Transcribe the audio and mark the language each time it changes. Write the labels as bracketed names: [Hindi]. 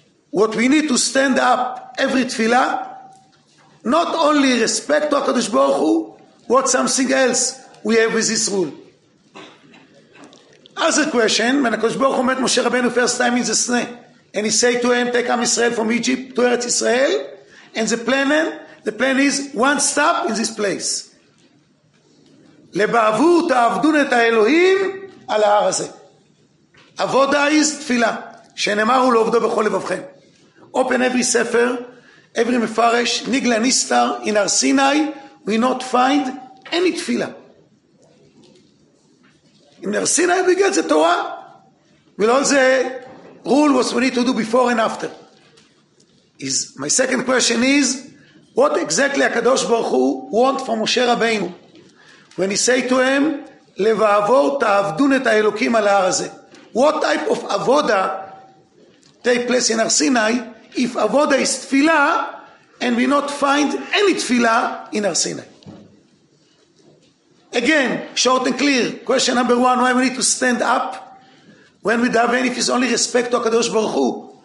[English] What we need to stand up every tefillah, not only respect to HaKadosh Baruch Hu, what something else we have with this rule? Other question, when HaKadosh Baruch Hu met Moshe Rabbeinu first time in the Sinai, and he say to him, take Am Israel from Egypt to Eretz Israel, and the plan is one stop in this place. [Hebrew] לבעבו תעבדון את האלוהים על ההר הזה. עבודה is תפילה, שנאמרו לעובדו בכל לבבכם. [English] Open every ספר, every מפרש, ניגלה ניסטר, in our Sinai, we not find any תפילה. In our Sinai we get the Torah, with all the rule what we need to do before and after. Is my second question is, What exactly הקדוש ברוך הוא want from משה רבינו? When he say to him, [Hebrew] לבעבור תעבדון את האלוקים על ההר הזה. [English] What type of עבודה take place in הר-סיני if עבודה is תפילה and we not find any תפילה in הר-סיני? Again, short and clear. Question number one, why we need to stand up when we daven if it's only respect to הקדוש ברוך הוא?